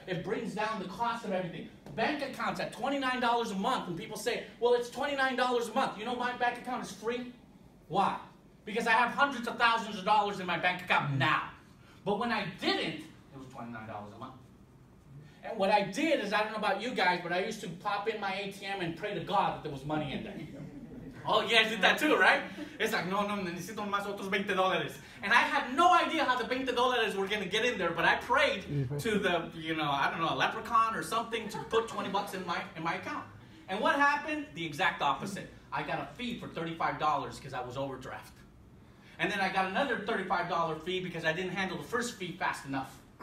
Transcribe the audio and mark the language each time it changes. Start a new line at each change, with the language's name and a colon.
English: It brings down the cost of everything. Bank accounts at $29 a month, and people say, well, it's $29 a month. You know my bank account is free? Why? Because I have hundreds of thousands of dollars in my bank account now. But when I didn't, it was $29 a month. And what I did is, I don't know about you guys, but I used to pop in my ATM and pray to God that there was money in there. Oh, yeah, I did that too, right? It's like, no,
Spanish: necesito más otros 20 dólares.
English: And I had no idea how the 20 dólares were going to get in there, but I prayed to the, you know, I don't know, a leprechaun or something to put 20 bucks in my account. And what happened? The exact opposite. I got a fee for $35 because I was overdraft. And then I got another $35 fee because I didn't handle the first fee fast enough.